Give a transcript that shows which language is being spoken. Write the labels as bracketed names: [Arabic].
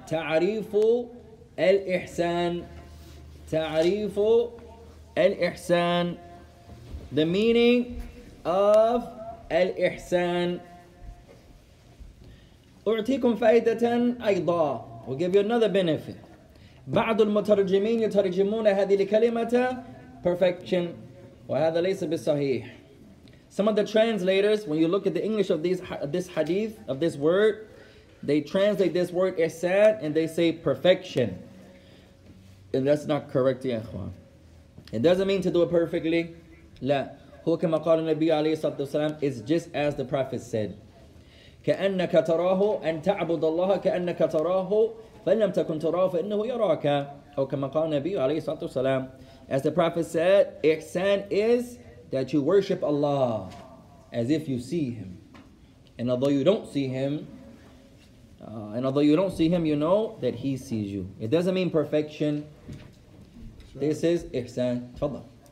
[Arabic] Ta'arifu al-ihsan. Ta'arifu al-ihsan. [English] The meaning of al-ihsan. [Arabic] أعطيكم فائدة أيضا. [English] We'll give you another benefit. [Arabic] بعض المترجمين يترجمون هذه الكلمة perfection. وهذا ليس بالصحيح. [English] Some of the translators, when you look at the English of this hadith, of this word, they translate this word ihsan and they say perfection. And that's not correct, [Arabic] يا إخوان. [English] It doesn't mean to do it perfectly. [Arabic] لا, هو كما قال النبي عليه الصلاة والسلام, [English] it's just as the Prophet said. [Arabic] كأنك تراه أن تعبد الله كأنك تراه فإن لم تكن تراه فإنه يراك أو كما قال النبي عليه الصلاة والسلام. [English] As the prophet said, ihsan is that you worship Allah as if you see him. And although you don't see him, you know that he sees you. It doesn't mean perfection. Right. This is ihsan. Tafadhal.